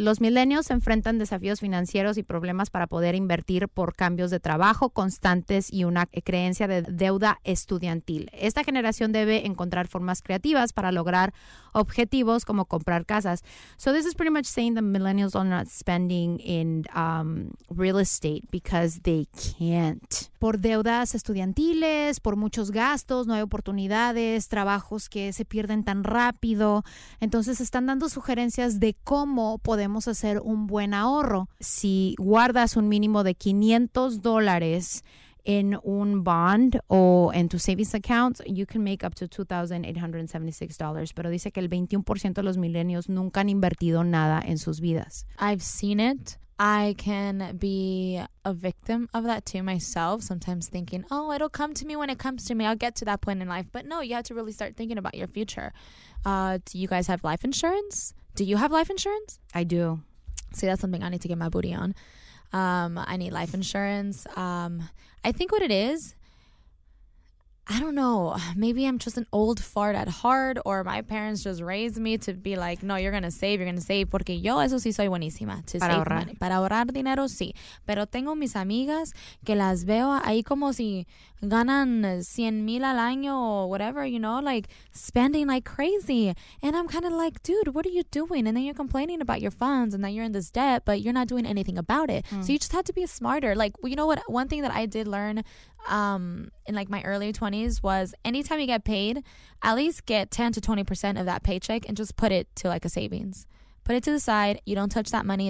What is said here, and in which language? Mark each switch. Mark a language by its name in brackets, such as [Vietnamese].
[Spanish] Los millennials enfrentan desafíos financieros y problemas para poder invertir por cambios de trabajo constantes y una creencia de deuda estudiantil. Esta generación debe encontrar formas creativas para lograr objetivos como comprar casas. [English] So this is pretty much saying the millennials are not spending in real estate because they can't. [Spanish] Por deudas estudiantiles, por muchos gastos, no hay oportunidades, trabajos que se pierden tan rápido. Entonces están dando sugerencias de cómo podemos hacer un buen ahorro. Si guardas un mínimo de $500 en un bond o en tu [English] savings account, you can make up to $2,876. [Spanish] Pero dice que el 21% de los millennials nunca han invertido nada en sus vidas. [English] I've seen it. I can be a victim of that too myself, sometimes thinking, oh, it'll come to me when it comes to me. I'll get to that point in life. But no, you have to really start thinking about your future. Do you guys have life insurance? Do you have life insurance? I do. See, that's something I need to get my booty on. I need life insurance. I think what it is, I don't know, maybe I'm just an old fart at heart, or my parents just raised me to be like, no, you're going to save. [Spanish] Porque yo eso sí soy buenísima. [English] To [Spanish] para [English] save [Spanish] ahorrar. [English] Money. [Spanish] Para ahorrar dinero, sí. Pero tengo mis amigas que las veo ahí como si ganan 100,000 al año [English] or whatever, you know, like spending like crazy. And I'm kind of like, dude, what are you doing? And then you're complaining about your funds and that you're in this debt, but you're not doing anything about it. Mm. So you just have to be smarter. Like, you know what? One thing that I did learn in like my early 20s was anytime you get paid, at least get 10 to 20% of that paycheck and just put it to like a savings. Put it to the side. You don't touch that money.